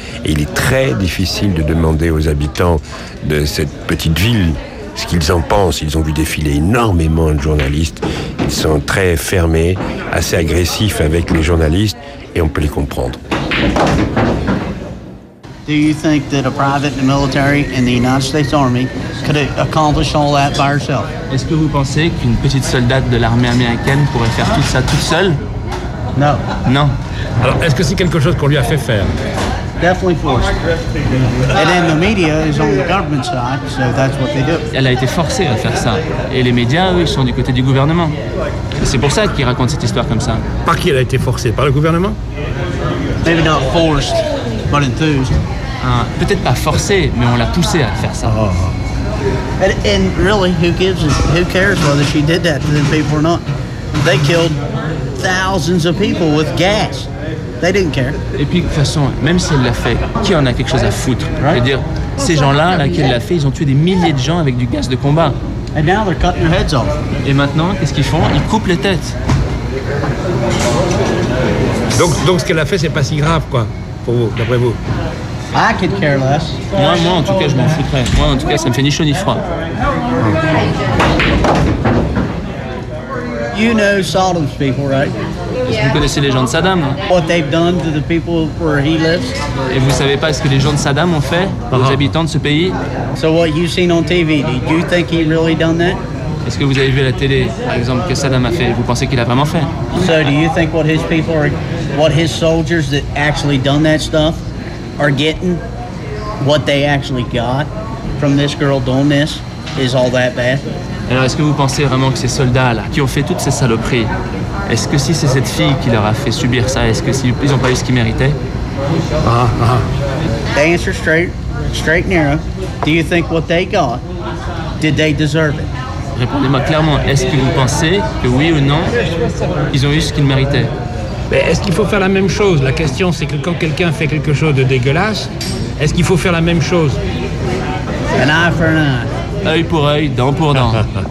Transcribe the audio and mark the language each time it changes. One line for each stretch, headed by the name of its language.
French: Et il est très difficile de demander aux habitants de cette petite ville ce qu'ils en pensent. Ils ont vu défiler énormément de journalistes. Ils sont très fermés, assez agressifs avec les journalistes, et on peut les comprendre.
English: Do you think that a private in the military in the United States Army could accomplish all that by herself?
French: Est-ce que vous pensez qu'une petite soldate de l'armée américaine pourrait faire tout ça toute seule?
English: No.
French: Non. Alors, est-ce que c'est quelque chose qu'on lui a fait faire?
English: Definitely forced. And then the media is on the government side, so that's what they do.
French: Elle a été forcée à faire ça. Et les médias, eux, ils sont du côté du gouvernement. Et c'est pour ça qu'ils racontent cette histoire comme ça. Par qui elle a été forcée? Par le gouvernement?
English: Maybe not forced, but enthused.
French: Peut-être pas forcée, mais on l'a poussée à faire ça. Oh.
English: And really, who cares whether she did that to them people or not? They killed thousands of people with gas. They didn't care.
French: Et puis de toute façon, même si elle l'a fait, qui en a quelque chose à foutre?
English: Right?
French: Je veux dire, ces gens-là, là, qui l'a fait, ils ont tué des milliers de gens avec du gaz de combat.
English: And now they're cutting their heads off.
French: Et maintenant, qu'est-ce qu'ils font? Ils coupent les têtes. Donc ce qu'elle a fait, c'est pas si grave, quoi, pour vous, d'après vous?
English: I could care less.
French: Moi, en tout cas, je m'en foutrais. Moi, en tout cas, ça me fait ni chaud ni froid.
English: You know Sodom's people, right?
French: Vous connaissez les gens de Saddam, hein?
English: What they've done to the people where he lives?
French: Et vous savez pas ce que les gens de Saddam ont fait aux habitants de ce pays?
English: So what you've seen on TV, do you think he really done that?
French: Est-ce que vous avez vu à la télé, par exemple, que Saddam a fait? Vous pensez qu'il a vraiment fait?
English: So do you think what his people are, what his soldiers that actually done that stuff are getting, what they actually got from this girl doing this, is all that bad?
French: Alors, est-ce que vous pensez vraiment que ces soldats-là, qui ont fait toutes ces saloperies, est-ce que si c'est cette fille qui leur a fait subir ça, est-ce qu'ils n'ont pas eu ce qu'ils méritaient?
English: They answer straight and narrow. Do you think what they got, did they deserve it?
French: Répondez-moi clairement, est-ce que vous pensez que oui ou non, ils ont eu ce qu'ils méritaient? Mais est-ce qu'il faut faire la même chose? La question, c'est que quand quelqu'un fait quelque chose de dégueulasse, est-ce qu'il faut faire la même chose?
English: An eye for an eye.
French: Œil pour œil, dent pour dent.